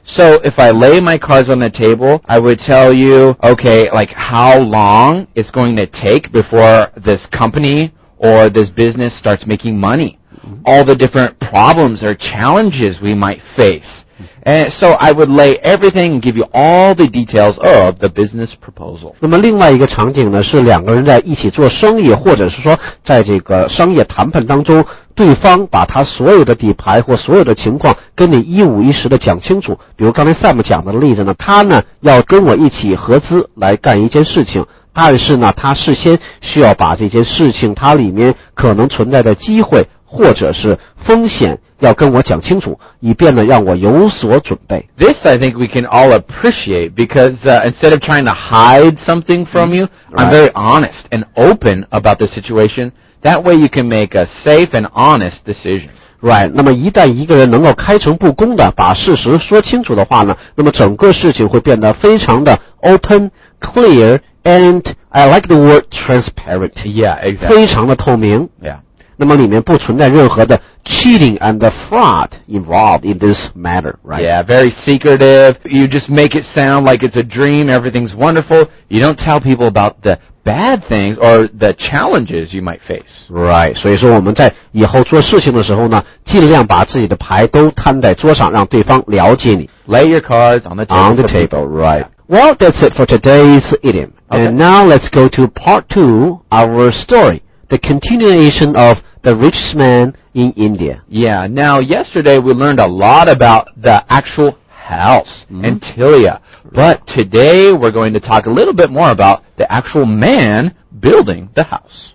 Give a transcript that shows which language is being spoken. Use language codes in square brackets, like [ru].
[en] So if I lay my cards on the table, I would tell you, okay, like how long it's going to take before this company or this business starts making money. Mm-hmm. All the different problems or challenges we might face. Mm-hmm. And so I would lay everything and give you all the details of the business proposal. [zh] 那么另外一个场景呢，是两个人在一起做生意，或者是说在这个商业谈判当中，对方把他所有的底牌或所有的情况跟你一五一十的讲清楚。比如刚才 Sam 讲的例子呢，他呢要跟我一起合资来干一件事情，但是呢他事先需要把这件事情他里面可能存在的机会或者是风险要跟我讲清楚，以便呢让我有所准备。 [en] This I think we can all appreciate because instead of trying to hide something from you, I'm very honest and open about the situation. That way you can make a safe and honest decision. [zh] Right, 那么一旦一个人能够开诚布公的把事实说清楚的话呢，那么整个事情会变得非常的 [en] open, clear, and I like the word transparent. Yeah, exactly. [zh] 非常的透明。 [en] Yeah. [zh] 那么里面不存在任何的 [en] cheating and the fraud involved in this matter, right? Yeah, very secretive. You just make it sound like it's a dream, everything's wonderful. You don't tell people about the bad things or the challenges you might face. [zh] Right, 所以说我们在以后做事情的时候呢，尽量把自己的牌都摊在桌上，让对方了解你。 [en] Lay your cards on the table. On the table, right. Well, that's it for today's idiom. Okay. And now let's go to part two, our story. The continuation of the richest man in India. Yeah, now yesterday we learned a lot about the actual house, mm-hmm. Antilia. But today we're going to talk a little bit more about the actual man building the house.